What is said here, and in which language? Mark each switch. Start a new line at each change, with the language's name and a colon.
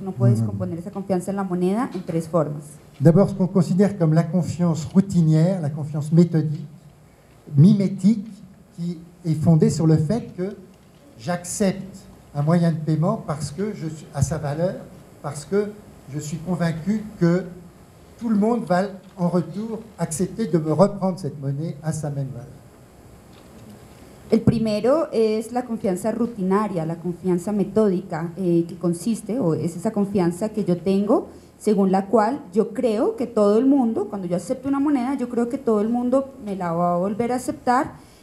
Spanish: Uno puede descomponer esa confianza en la moneda en tres formas.
French: D'abord, ce qu'on considère comme la confiance routinière, la confiance méthodique, mimétique, qui est fondée sur le fait que j'accepte un moyen de paiement parce que je suis à sa valeur, parce que je suis convaincu que tout le monde va en retour accepter de me reprendre cette monnaie à sa même valeur.
Spanish: El primero es la confianza rutinaria, la confianza metódica, que consiste o es esa confianza que yo tengo según la cual yo creo que todo el mundo, cuando yo acepto una moneda, yo creo que todo el mundo me la va a volver a aceptar,